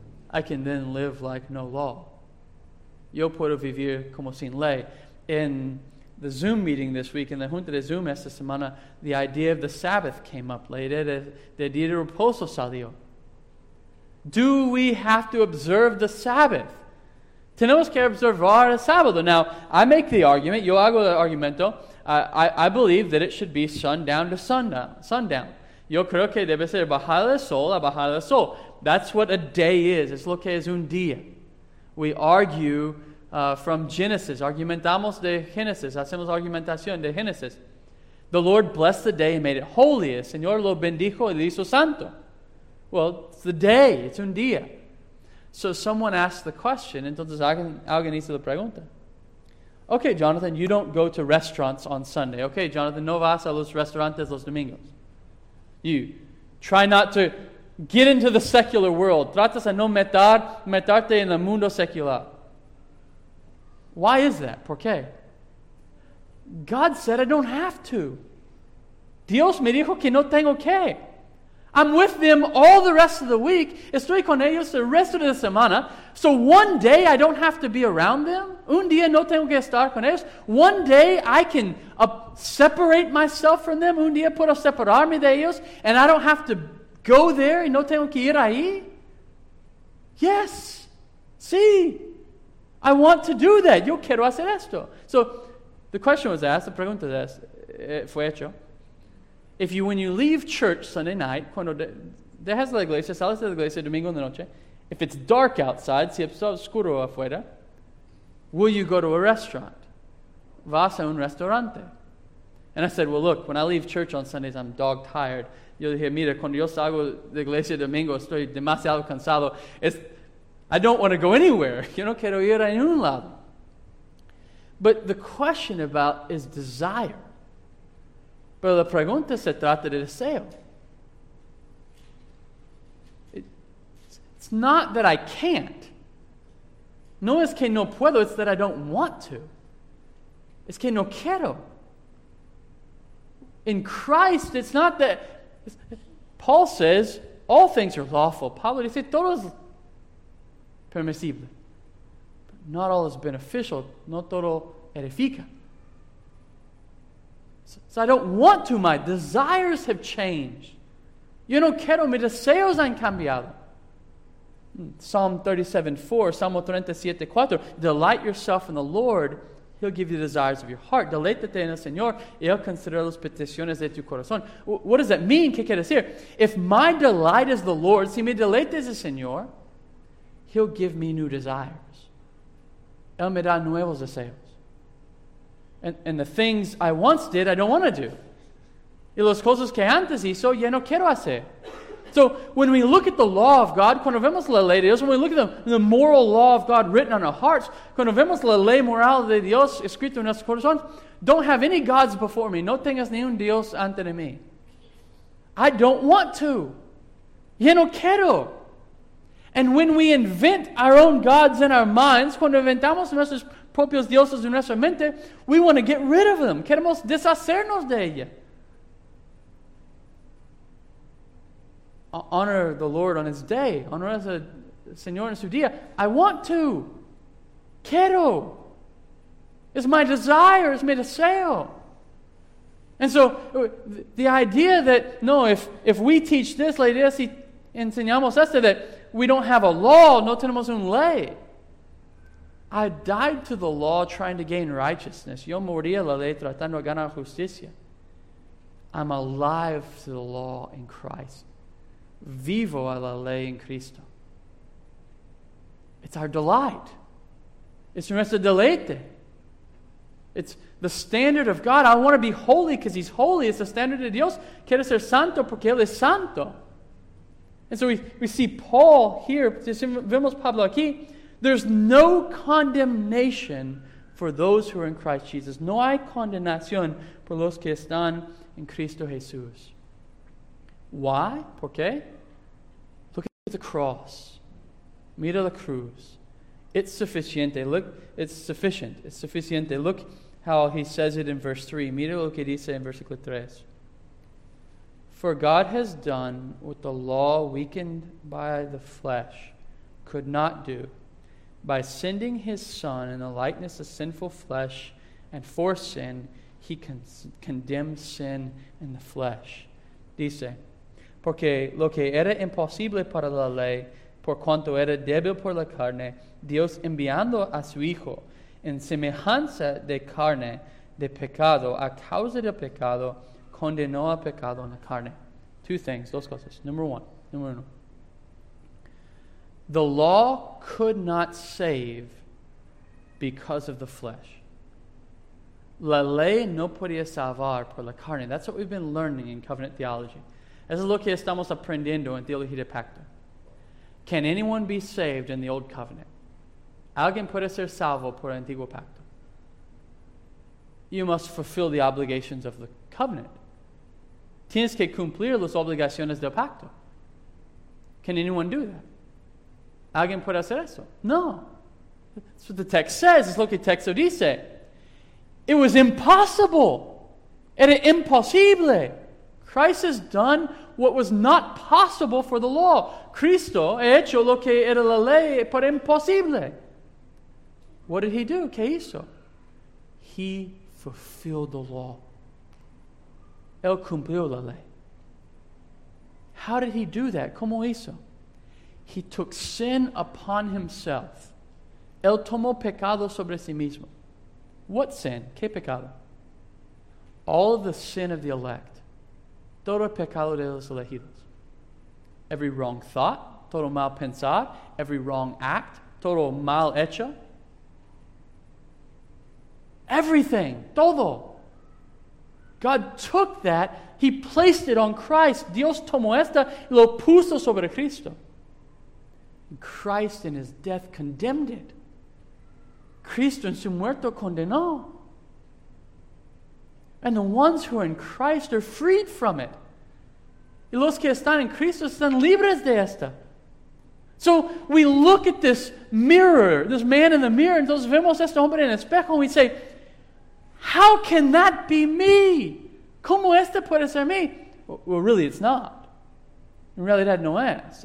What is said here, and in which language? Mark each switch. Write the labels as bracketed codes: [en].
[en] I can then live like no law. [es] Yo puedo vivir como sin ley. [en] In the Zoom meeting this week, in the [es] Junta de Zoom esta semana, [en] the idea of the Sabbath came up. [es] La idea de día de reposo salió. [en] Do we have to observe the Sabbath? [es] Tenemos que observar el sábado. [en] Now, I make the argument, [es] yo hago el argumento, [en] I believe that it should be sundown to sundown. [es] Yo creo que debe ser bajada del sol a bajada del sol. [en] That's what a day is. [es] Es lo que es un día. [en] We argue from Genesis. [es] Argumentamos de Genesis. Hacemos argumentación de Genesis. [en] The Lord blessed the day and made it holy. [es] El Señor lo bendijo y lo hizo santo. [en] Well, it's the day. It's [es] un día. [en] So someone asked the question. [es] Entonces alguien hizo la pregunta. [en] Okay, Jonathan, you don't go to restaurants on Sunday. Okay, Jonathan, [es] no vas a los restaurantes los domingos. [en] You try not to get into the secular world. [es] Tratas a no meterte en el mundo secular. [en] Why is that? [es] ¿Por qué? [en] God said I don't have to. [es] Dios me dijo que no tengo que. [en] I'm with them all the rest of the week. [es] Estoy con ellos el resto de la semana. [en] So one day I don't have to be around them. [es] Un día no tengo que estar con ellos. [en] One day I can separate myself from them. [es] Un día puedo separarme de ellos. [en] And I don't have to go there [es] y no tengo que ir ahí. [en] Yes. [es] Sí. [en] I want to do that. [es] Yo quiero hacer esto. [en] So the question was asked. [es] La pregunta es, fue hecho. [en] If you, when you leave church Sunday night, [es] cuando dejas la iglesia, sales de la iglesia domingo en la noche, [en] if it's dark outside, [es] si es oscuro afuera, [en] will you go to a restaurant? [es] Vas a un restaurante. [en] And I said, well, look, when I leave church on Sundays, I'm dog tired. [es] Yo dije, mira, cuando yo salgo de iglesia domingo, estoy demasiado cansado. [en] I don't want to go anywhere. [es] Yo no quiero ir a ningún lado. [en] But the question about is desire. [es] Pero la pregunta se trata de deseo. [en] It's not that I can't. [es] No es que no puedo, [en] it's that I don't want to. [es] Es que no quiero. [en] In Christ, it's not that... Paul says, all things are lawful. [es] Pablo dice, todo es permisible. [en] But not all is beneficial. [es] No todo edifica. [en] So I don't want to. My desires have changed. [es] Yo no quiero. Mis deseos han cambiado. Psalm 37:4. [en] Delight yourself in the Lord. He'll give you the desires of your heart. [es] Deleítate en el Señor. Y él considera las peticiones de tu corazón. [en] What does that mean? [es] ¿Qué quiere decir? [en] If my delight is the Lord, [es] si mi deleite es el Señor, [en] he'll give me new desires. [es] Él me da nuevos deseos. [en] And the things I once did, I don't want to do. [es] Y las cosas que antes hizo, ya no quiero hacer. [en] So when we look at the law of God, [es] cuando vemos la ley de Dios, [en] when we look at the moral law of God written on our hearts, [es] cuando vemos la ley moral de Dios escrito en nuestros corazones, [en] don't have any gods before me. [es] No tengas ni un Dios ante de mí. [en] I don't want to. [es] Ya no quiero. [en] And when we invent our own gods in our minds, [es] cuando inventamos nuestros propios dioses en nuestra mente, [en] we want to get rid of them. [es] Queremos deshacernos de ella. [en] Honor the Lord on his day. [es] Honor al Señor en su día. [en] I want to. [es] Quiero. [en] It's my desire. It's my [es] deseo. [en] And so, the idea that, no, if we teach this, [es] la idea si enseñamos esto, [en] that we don't have a law, [es] no tenemos un ley. [en] I died to the law trying to gain righteousness. [es] Yo moría la ley tratando de ganar justicia. [en] I'm alive to the law in Christ. [es] Vivo a la ley en Cristo. [en] It's our delight. It's [es] nuestro deleite. [en] It's the standard of God. I want to be holy because he's holy. It's the standard of Dios. [es] Quiero ser santo porque él es santo. [en] And so we see Paul here. Vemos Pablo aquí. There's no condemnation for those who are in Christ Jesus. [es] No hay condenación por los que están en Cristo Jesús. [en] Why? [es] ¿Por qué? [en] Look at the cross. [es] Mira la cruz. [en] It's suficiente. Look, it's sufficient. It's suficiente. Look how he says it in verse 3. [es] Mira lo que dice en versículo 3. [en] For God has done what the law weakened by the flesh could not do. By sending his son in the likeness of sinful flesh and for sin, he condemned sin in the flesh. [es] Dice, porque lo que era imposible para la ley, por cuanto era débil por la carne, Dios enviando a su hijo en semejanza de carne, de pecado, a causa del pecado, condenó a pecado en la carne. [en] Two things, [es] dos cosas. [en] Number one. The law could not save because of the flesh. [es] La ley no podía salvar por la carne. [en] That's what we've been learning in covenant theology. [es] Eso es lo que estamos aprendiendo en teología de pacto. [en] Can anyone be saved in the old covenant? [es] ¿Alguien puede ser salvo por el antiguo pacto? [en] you must fulfill the obligations of the covenant. [es] Tienes que cumplir las obligaciones del pacto. [en] Can anyone do that? [es] ¿Alguien puede hacer eso? No. [en] That's what the text says. It's [es] lo que el texto dice. [en] It was impossible. [es] Era imposible. [en] Christ has done what was not possible for the law. [es] Cristo ha hecho lo que era la ley, pero imposible. [en] What did he do? [es] ¿Qué hizo? [en] He fulfilled the law. [es] Él cumplió la ley. [en] How did he do that? [es] ¿Cómo hizo? [en] He took sin upon himself. [es] Él tomó pecado sobre sí mismo. [en] What sin? ¿Qué pecado? All of the sin of the elect. [es] Todo pecado de los elegidos. [en] Every wrong thought. [es] Todo mal pensar. [en] Every wrong act. [es] Todo mal hecho. [en] Everything. Todo. God took that. He placed it on Christ. [es] Dios tomó esta y lo puso sobre Cristo. [en] And Christ in his death condemned it. [es] Cristo en su muerto condenó. [en] And the ones who are in Christ are freed from it. [es] Y los que están en Cristo están libres de esta. [en] So we look at this mirror, this man in the mirror, and [es] entonces vemos este hombre en el espejo, [en] and we say, how can that be me? [es] ¿Cómo este puede ser me? [en] Well, really, it's not. [es] In realidad, no es.